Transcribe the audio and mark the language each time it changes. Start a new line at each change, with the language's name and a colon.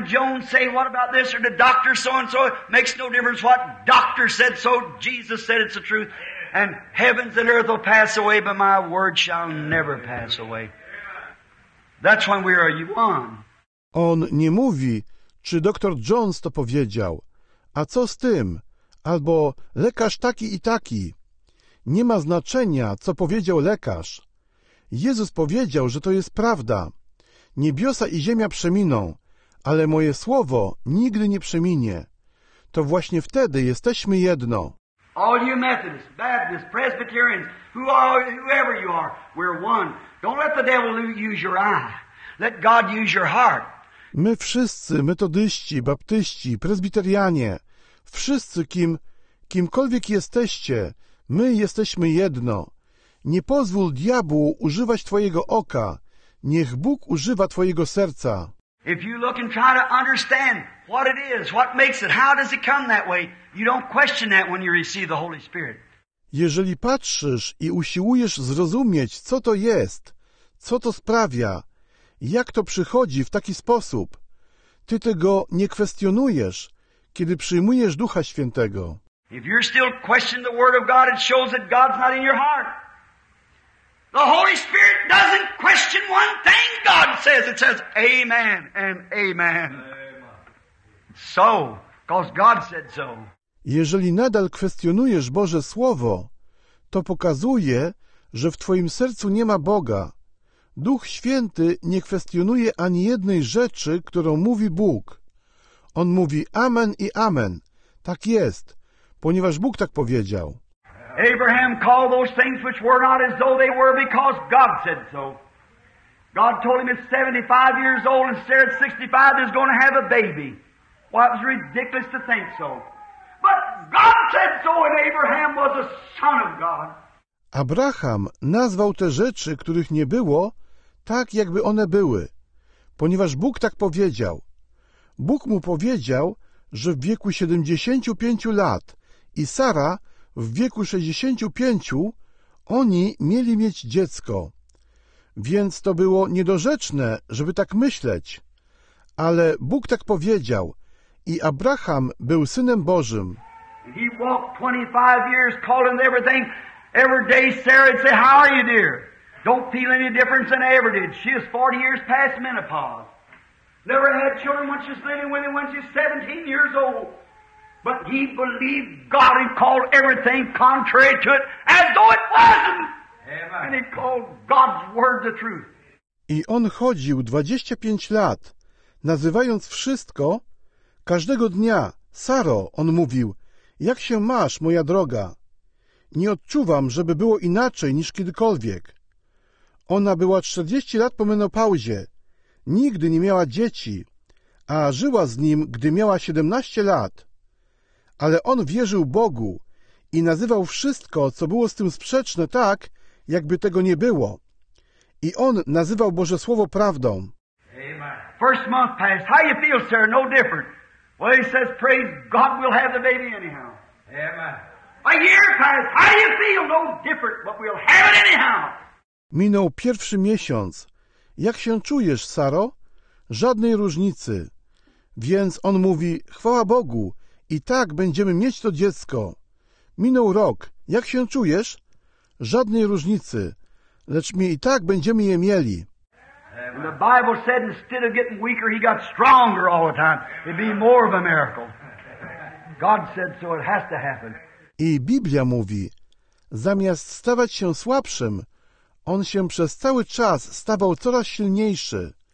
English: Jones say what about this, or did Dr. So-and-so? Makes no difference what doctor said so, Jesus said it's the truth. And heavens and earth will pass away, but my word shall never pass away. That's when we are one.
Polish: On nie mówi, czy doktor Jones to powiedział, a co z tym, albo lekarz taki i taki. Nie ma znaczenia, co powiedział lekarz. Jezus powiedział, że to jest prawda. Niebiosa i ziemia przeminą, ale moje słowo nigdy nie przeminie. To właśnie wtedy jesteśmy jedno.
English: All you Methodists, Baptists, Presbyterians, whoever you are, we're one. Don't let the devil use your eye. Let God use your heart.
Polish: My wszyscy, metodyści, baptyści, prezbiterianie, wszyscy kimkolwiek jesteście, my jesteśmy jedno. Nie pozwól diabłu używać twojego oka. Niech Bóg używa twojego serca.
English: If you look and try to understand what it is, what makes it, how does it come that way, you don't question that when you receive the Holy Spirit.
Polish: Jeżeli patrzysz i usiłujesz zrozumieć, co to jest, co to sprawia, jak to przychodzi w taki sposób, ty tego nie kwestionujesz, kiedy przyjmujesz Ducha Świętego.
English: If you're still questioning the Word of God, it shows that God's not in your heart. The Holy Spirit doesn't question one thing God says. It says, Amen and Amen. So, because God said so.
Polish: Jeżeli nadal kwestionujesz Boże Słowo, to pokazuje, że w twoim sercu nie ma Boga. Duch Święty nie kwestionuje ani jednej rzeczy, którą mówi Bóg. On mówi Amen i Amen. Tak jest, ponieważ Bóg tak powiedział.
English: Abraham called those things which were not as though they were because God said so. God told him at 75 years old and said 65 is going to have a baby. Well, it was ridiculous to think so. But God said so and Abraham was a son of God.
Polish: Abraham nazwał te rzeczy, których nie było, tak jakby one były, ponieważ Bóg tak powiedział. Bóg mu powiedział, że w wieku 75 lat i Sara w wieku 65 oni mieli mieć dziecko. Więc to było niedorzeczne, żeby tak myśleć. Ale Bóg tak powiedział i Abraham był Synem Bożym.
English: He walked 25 years calling everything. Every day Sarah would say, how are you, dear? Don't feel any difference than I ever did. She is 40 years past menopause. Never had children when she's living with him when she's 17 years old. But he believed God and called everything contrary to it as though it wasn't. Amen. And he called God's word the truth.
Polish: I on chodził 25 lat, nazywając wszystko. Każdego dnia, Saro, on mówił, jak się masz, moja droga? Nie odczuwam, żeby było inaczej niż kiedykolwiek. Ona była 40 lat po menopauzie. Nigdy nie miała dzieci, a żyła z nim, gdy miała 17 lat. Ale on wierzył Bogu i nazywał wszystko, co było z tym sprzeczne, tak, jakby tego nie było. I on nazywał Boże Słowo prawdą.
English: First month passed. How you feel, sir? No different. Well, he says, praise God, we'll have the baby anyhow. Amen. A year passed. How you feel? No different, but we'll have it anyhow.
Polish: Minął pierwszy miesiąc. Jak się czujesz, Saro? Żadnej różnicy. Więc on mówi, chwała Bogu, i tak będziemy mieć to dziecko. Minął rok. Jak się czujesz? Żadnej różnicy. Lecz my i tak będziemy je mieli.
English: The Bible said instead of getting weaker, he got stronger all the time. It'd be more of a miracle. God said so, it has to happen.
Polish: I Biblia mówi, zamiast stawać się słabszym, on się przez cały czas stawał coraz silniejszy.